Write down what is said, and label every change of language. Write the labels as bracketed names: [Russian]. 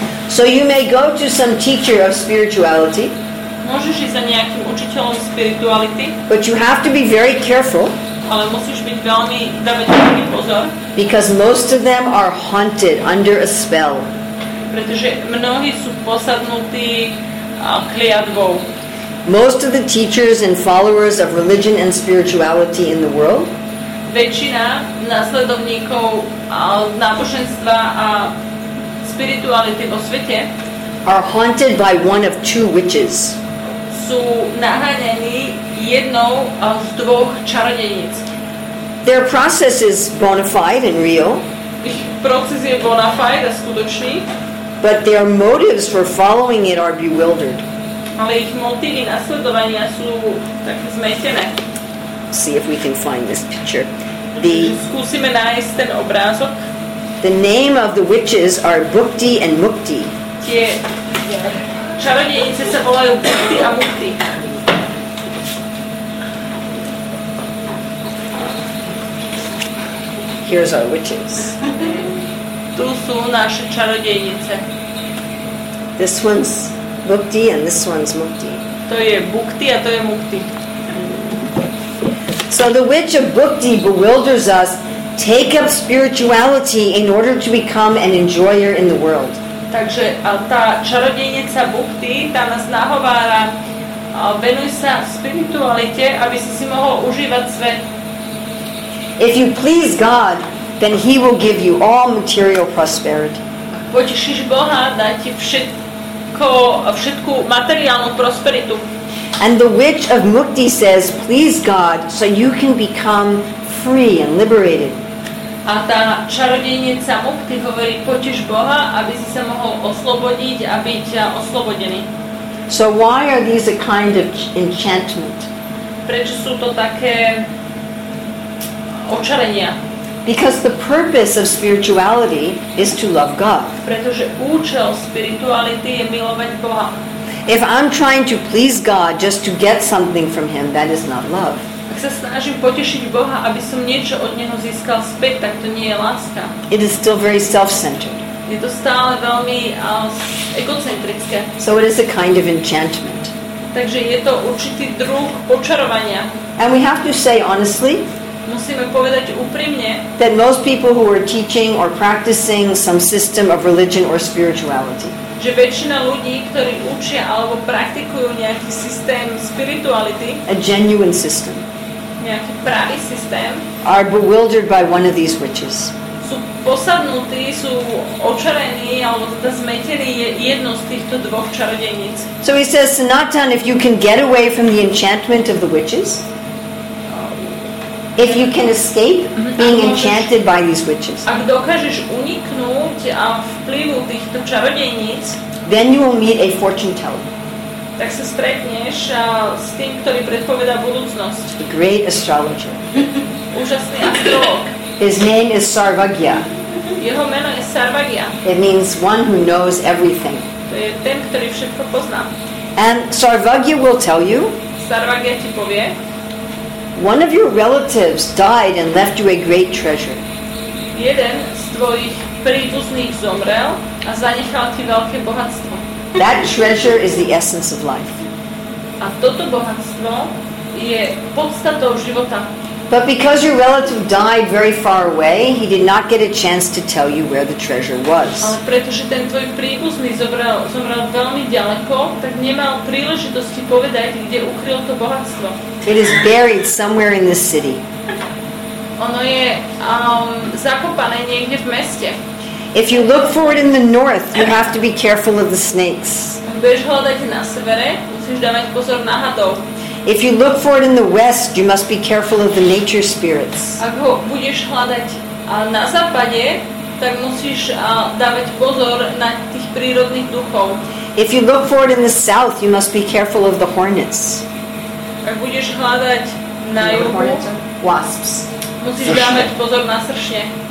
[English] So you may go to some teacher of spirituality. [Slovak] Môžeš ísť za nejakým učiteľom spirituality. [English] But you have to be very careful. [Slovak] Ale musíš byť veľmi dávať pozor. [English] Because most of them are haunted under a spell. [Slovak] Pretože mnohí sú posadnutí kliatbou. [English] Most of the teachers and followers of religion and spirituality in the world. [Slovak] Väčšina nasledovníkov náboženstva a spirituality vo svete [English] are haunted by one of two witches. [Slovak] Sú naháňaní jednou z dvoch čarodejníc. [English] Their process is bona fide and real. [Slovak] Ich proces je bona fide a skutočný. [English] But their motives for following it are bewildered. [Slovak] Ale ich motívy nasledovania sú také zmetené. [English] See if we can find this picture. [Slovak] Skúsime nájsť ten obrázok. [English] The name of the witches are Bhukti and Mukti. [Slovak] Tie čarodejnice sa volajú Bhukti a Mukti. [English] Here's our witches. [Slovak] Tu sú naše čarodejnice. [English] This one's Bhukti and this one's Mukti. [Slovak] To je Bhukti a to je Mukti. [English] So the witch of Bhukti bewilders us, take up spirituality in order to become an enjoyer in the world. [Slovak] Takže tá čarodejnica Bhukti, tá nás nahovára, venuj sa spiritualite, aby si si mohol užívať svet. [English] If you please God, then he will give you all material prosperity. [Slovak] Potešíš Boha, dá ti všetku materiálnu prosperitu. [English] And the witch of Mukti says, please God, so you can become free and liberated. [Slovak] A tá čarodejnica Mukti hovorí, potiš Boha, aby si sa mohol oslobodiť a byť oslobodený. [English] So why are these a kind of enchantment? [Slovak] Prečo sú to také očarenia? [English] Because the purpose of spirituality is to love God. [Slovak] Pretože účel spirituality je milovať Boha. [English] If I'm trying to please God just to get something from him, that is not love. [Slovak] Ak sa snažím potešiť Boha, aby som niečo od neho získal späť, tak to nie je láska. [English] It is still very self-centered. [Slovak] Je to stále veľmi egocentrické. [English] So it is a kind of enchantment. [Slovak] Takže je to určitý druh očarovania. [English] And we have to say honestly, [Slovak] musíme povedať úprimne, [English] that most people who are teaching or practicing some system of religion or spirituality, [Slovak] že väčšina ľudí, ktorí učia alebo praktikujú nejaký systém spirituality, [English] a genuine system, [Slovak] nejaký pravý systém, [English] are bewildered by one of these witches. [Slovak] Sú posadnutí, sú očarení alebo teda zmetení jednou z týchto dvoch čarodejníc. [English] So he says, Sanatan, if you can get away from the enchantment of the witches, if you can escape being enchanted by these witches, [Slovak] ak dokážeš uniknúť a vplyvu týchto čarodejníc, [English] then you will meet a fortune teller. [Slovak] tak sa stretneš s tým, ktorý predpovedá budúcnosť. [English] The great astrologer. [Slovak] Úžasný astrolog. [English] His name is Sarvagya. [Slovak] Jeho meno je Sarvagya. [English] It means one who knows everything. [Slovak] To je ten, ktorý všetko pozná. [English] And Sarvagya will tell you. [Slovak] Sarvagya ti povie. [English] One of your relatives died and left you a great treasure. [Slovak] Jeden z tvojich príbuzných zomrel a zanechal ti veľké bohatstvo. [English] That treasure is the essence of life. [Slovak] A toto bohatstvo je podstatou života. [English] But because your relative died very far away, he did not get a chance to tell you where the treasure was. [Slovak] Ale pretože ten tvoj príbuzný zomrel veľmi ďaleko, tak nemal príležitosti povedať, kde ukryl to bohatstvo. [English] It is buried somewhere in the city. [Slovak] Ono je zakopané niekde v meste. [English] If you look for it in the north, you have to be careful of the snakes. [Slovak] Budeš hľadať na severe, musíš dávať pozor na hadov. [English] If you look for it in the west, you must be careful of the nature spirits. [Slovak] Ak ho budeš hľadať na západe, tak musíš dávať pozor na tých prírodných duchov. [English] If you look for it in the south, you must be careful of the hornets. [Slovak] Ak budeš hľadať na juhu, [English] wasps. [Slovak] Musíš dávať pozor na sršne.